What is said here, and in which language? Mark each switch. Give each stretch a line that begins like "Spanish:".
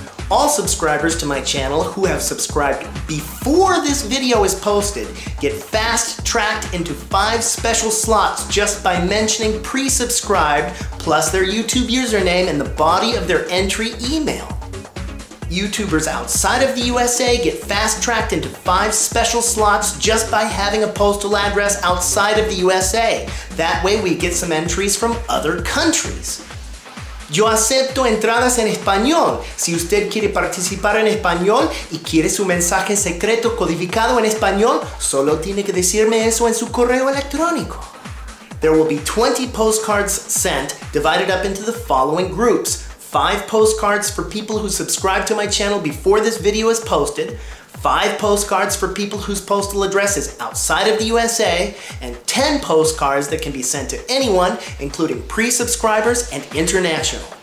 English: All subscribers to my channel who have subscribed before this video is posted get fast-tracked into 5 special slots just by mentioning pre-subscribed plus their YouTube username in the body of their entry email. YouTubers outside of the USA get fast-tracked into 5 special slots just by having a postal address outside of the USA. That way we get some entries from other countries.
Spanish: Yo acepto entradas en español. Si usted quiere participar en español y quiere su mensaje secreto codificado en español, solo tiene que decirme eso en su correo electrónico.
English: There will be 20 postcards sent, divided up into the following groups. 5 postcards for people who subscribe to my channel before this video is posted, 5 postcards for people whose postal address is outside of the USA, and 10 postcards that can be sent to anyone, including pre-subscribers and international.